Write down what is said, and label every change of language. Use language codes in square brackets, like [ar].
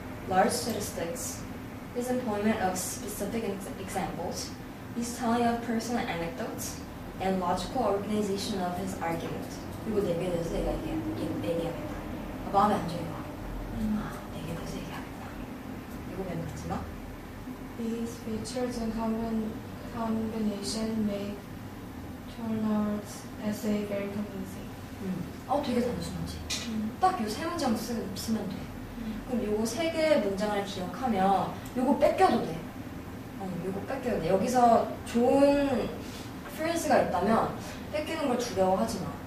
[en] Large statistics, his employment of specific examples, his telling of personal anecdotes, and logical organization of his argument. [ko] 그리고 네 개를 내가 얘기해. 마음에 안 좋아. 내게 무슨 얘기하겠다. 이거 맨 마지막. [en] These features and combination make Turner's essay very convincing. [ko] 되게 단순하지. 딱 요 세 문장 쓰면 돼. 그럼 요거 세 개의 문장을 기억하면 요거 뺏겨도 돼. 요거 뺏겨도 돼. 여기서 좋은 phrase가 있다면 뺏기는 걸 두려워하지 마.